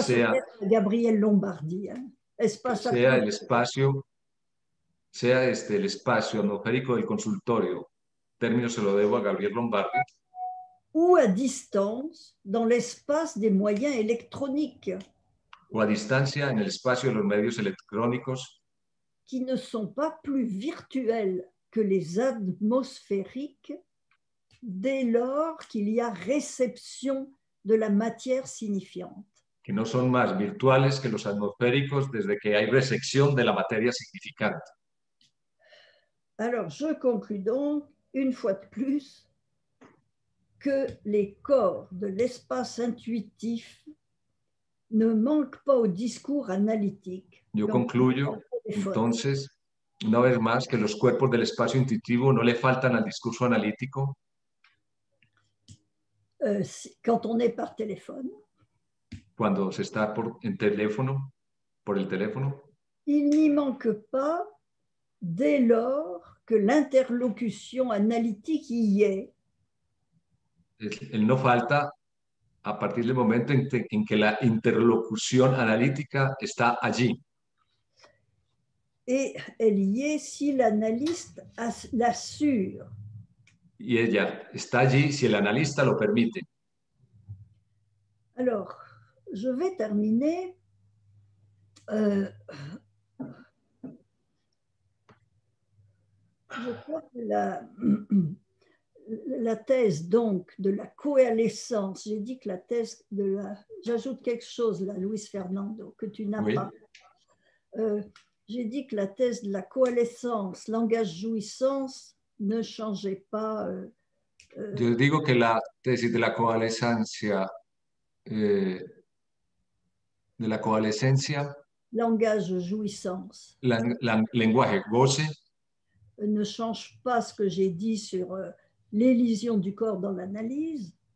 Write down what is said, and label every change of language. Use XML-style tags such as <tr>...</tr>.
<es>que sea,</es> <fr>à Gabriel Lombardi. Hein?</fr> <es>Espacio que sea el espacio, sea este el espacio atmosférico del consultorio. Término se lo debo a Gabriel Lombardi.</es> <fr>Ou à distance dans l'espace des moyens électroniques.</fr> <es>O a distancia en el espacio de los medios electrónicos.</es> <fr>Qui ne sont pas plus virtuels que les atmosphériques dès lors qu'il y a réception de la matière signifiante.</fr> <es>que no son más virtuales que los atmosféricos desde que hay resección de la materia significante.</es> <fr>Alors, je conclus donc, une fois de plus, que les corps de l'espace intuitif ne manquent pas au discours analytique.</fr> <es>Yo concluyo, entonces, una vez más, que los cuerpos del espacio intuitivo no le faltan al discurso analítico.</es> <fr>Quand on est par téléphone.</fr> <es>Cuando se está por el teléfono.</es> <fr>Il n'y manque pas dès lors que l'interlocution analytique y est.</fr> <es>Él no falta a partir del momento en que la interlocución analítica está allí.</es> <fr>Et elle y est si l'analyste l'assure.</fr> <es>Y ella está allí si el analista lo permite.</es> <fr>Alors, je vais terminer je crois que la thèse donc de la coalescence, j'ai dit que la thèse de la... J'ajoute quelque chose là, Luis Fernando, que tu n'as oui. pas. J'ai dit que la thèse de la coalescence, langage jouissance, ne changeait pas.</fr> <es>Yo digo que la tesis de la coalescencia, de la coalescencia,</es> <fr>langage jouissance,</fr> <es>lenguaje goce,</es> <fr>ne change pas ce que j'ai dit sur l'élision du corps dans l'analyse.</fr>